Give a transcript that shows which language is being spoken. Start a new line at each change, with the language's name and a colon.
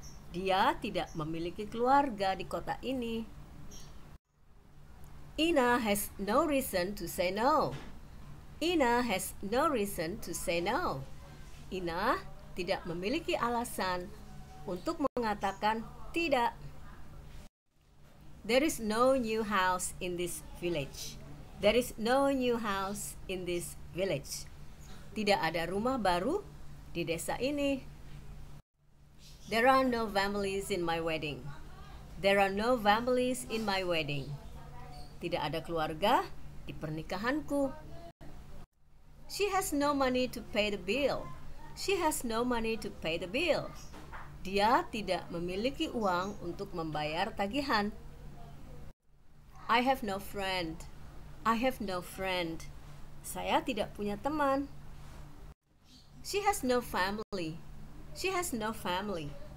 Indonesian: Dia tidak memiliki keluarga di kota ini.
English: Ina has no reason to say no. Ina has no reason to say no.
Indonesian: Ina tidak memiliki alasan untuk mengatakan tidak.
English: There is no new house in this village. There is no new house in this village.
Indonesian: Tidak ada rumah baru di desa ini.
English: There are no families in my wedding. There are no families in my wedding.
Indonesian: Tidak ada keluarga di pernikahanku.
English: She has no money to pay the bill. She has no money to pay the bill.
Indonesian: Dia tidak memiliki uang untuk membayar tagihan.
English: I have no friend. I have no friend.
Indonesian: Saya tidak punya teman.
English: She has no family. She has no family.